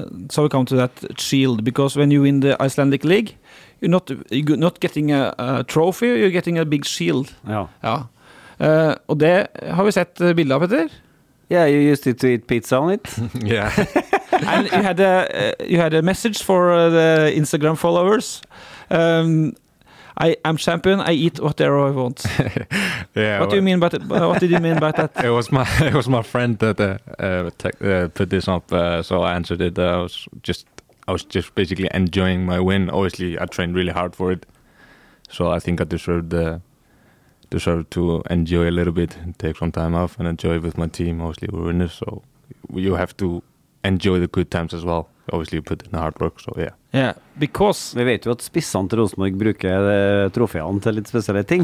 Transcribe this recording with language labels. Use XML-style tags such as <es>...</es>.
<en>So we come to that shield, because when you win the Icelandic league, you're not getting a trophy, you're getting a big shield. Yeah.</en> <no>Og det har vi sett bilder av etter.</no> <en>Yeah, you used it to eat pizza on it. Yeah. And you had a message for the Instagram followers. I'm champion. I eat whatever I want. Yeah. What did you mean by that? It was my friend that put this up. So I answered it. I was just basically enjoying my win. Obviously, I trained really hard for it. So I think I deserve to enjoy a little bit, take some time off, and enjoy with my team. Obviously, we're winners, so you have to enjoy the good times as well. Obviously, you put in hard work, so yeah. Yeah, because...</en> <no>Vi vet jo at spissene til Rosenborg bruker trofeene til litt spesielle ting.</no>